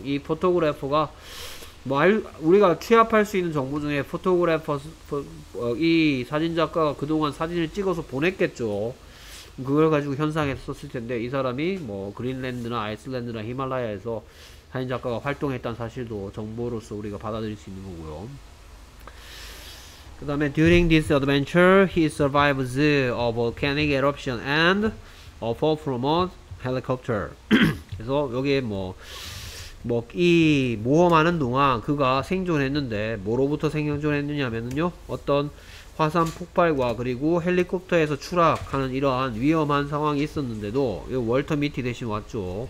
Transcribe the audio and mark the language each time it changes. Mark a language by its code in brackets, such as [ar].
[ko] 이 포토그래퍼가 뭐 우리가 취합할 수 있는 정보 중에 포토그래퍼 이 사진작가가 그동안 사진을 찍어서 보냈겠죠. 그걸 가지고 현상했었을 텐데 이 사람이 뭐 그린랜드나 아이슬란드나 히말라야에서 사진작가가 활동했다는 사실도 정보로서 우리가 받아들일 수 있는 거고요. 그 다음에 [en] during this adventure he survives a volcanic eruption and a fall from a helicopter. [ko] 그래서 여기에 이 모험하는 동안 그가 생존했는데 뭐로부터 생존했느냐면요 어떤 화산 폭발과 그리고 헬리콥터에서 추락하는 이러한 위험한 상황이 있었는데도 월터 미티 대신 왔죠.